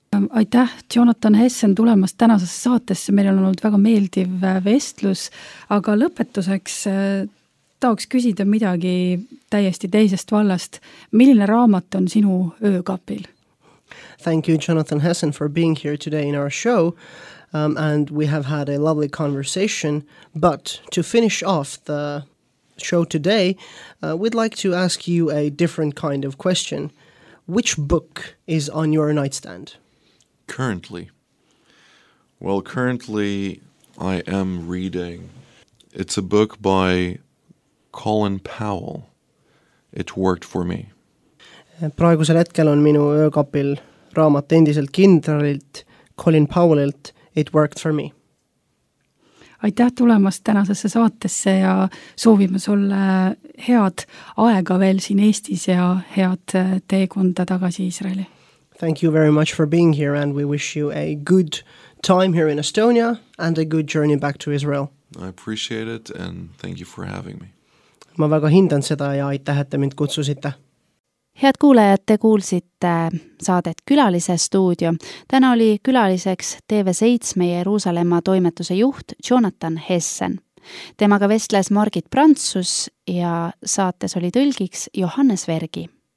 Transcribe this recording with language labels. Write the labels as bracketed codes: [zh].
[et] Aitäh, Jonathan Hessen, tulemas tänasesse saatesse. Meil on olnud väga meeldiv vestlus, aga lõpetuseks tahaks küsida midagi täiesti teisest vallast. Milline raamat on sinu öökapil? [en] Thank you, Jonathan Hessen, for being here today in our show, and we have had a lovely conversation. But to finish off the show today, we'd like to ask you a different kind of question. Which book is on your nightstand? Currently. Well, currently I am reading. It's a book by Colin Powell. It worked for me. [et] Praegusel hetkel on minu öökapil raamat endiselt kindralilt Colin Powellilt It Worked For Me. Aitäh tulemast tänasesse saatesse ja soovime sulle head aega veel siin Eestis ja head teekonda tagasi Iisraeli. [en] Thank you very much for being here and we wish you a good time here in Estonia and a good journey back to Israel. I appreciate it and thank you for having me. [et] Ma väga hindan seda ja aitäh, et te mind kutsusite. Head kuulajad, te kuulsite saadet Külalise stuudio. Täna oli külaliseks TV7 Jerusalemma toimetuse juht Jonathan Hessen. Temaga vestles Margit Prantsus ja saates oli tõlgiks Johannes Vergi.